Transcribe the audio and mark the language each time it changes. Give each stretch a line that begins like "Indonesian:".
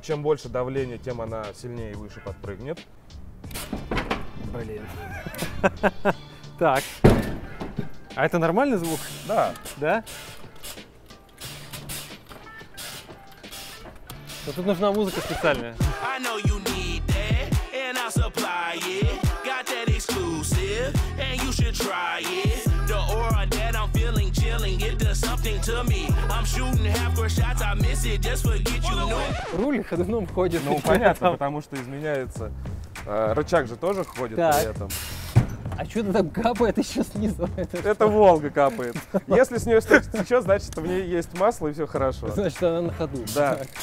Russian: Чем больше давление, тем она сильнее и выше подпрыгнет. Блин. Так. А это нормальный звук? Да. Да? Но тут нужна музыка специальная.
English: I know you need that, and I supply it. Got that exclusive, and you should try it. The aura that I'm feeling, chilling, it does something to me. I'm shooting half-court shots, I miss it, just forget you know.
Russian: Руль ходуном ходит. Ну, понятно, потому что изменяется. Рычаг же тоже ходит так. При этом. А что это там капает еще снизу? Это Волга капает. Если с нее что-то течет, значит, в ней есть масло, и все хорошо. Значит, она на ходу. Да.